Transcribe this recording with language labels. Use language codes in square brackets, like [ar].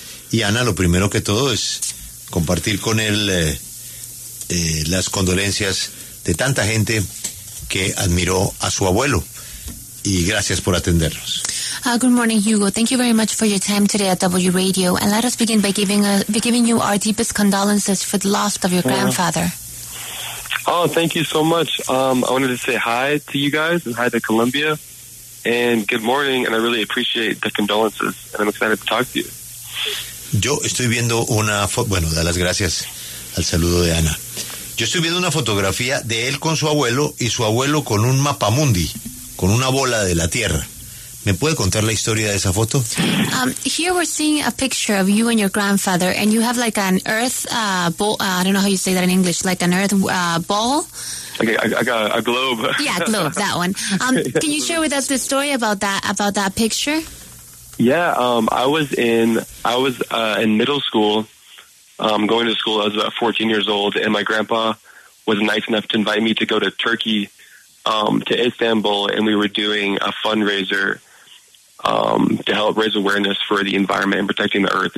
[es] Y Ana, lo primero que todo es compartir con él las condolencias de tanta gente que admiró a su abuelo. Y gracias por atendernos. [en] Good morning, Hugo. Thank you very much for your time today at W Radio. And let us begin by giving you our deepest condolences for the loss of your grandfather. Oh, thank you so much. I wanted to say hi to you guys and hi to Columbia. And good morning, and I really appreciate the condolences. And I'm excited to talk to you. [es] Yo estoy viendo una foto. Bueno, da las gracias al saludo de Ana. Yo estoy viendo una fotografía de él con su abuelo y su abuelo con un mapamundi, con una bola de la tierra. ¿Me puede contar la historia de esa foto? [en] Here we're seeing a picture of you and your grandfather, and you have like an earth ball. I don't know how you say that in English, like an earth ball. Okay, I got a globe. Yeah, globe, that one. Can you share with us the story about that picture? Yeah, I was in middle school, going to school. I was about 14 years old, and my grandpa was nice enough to invite me to go to Turkey, to Istanbul, and we were doing a fundraiser to help raise awareness for the environment and protecting the earth.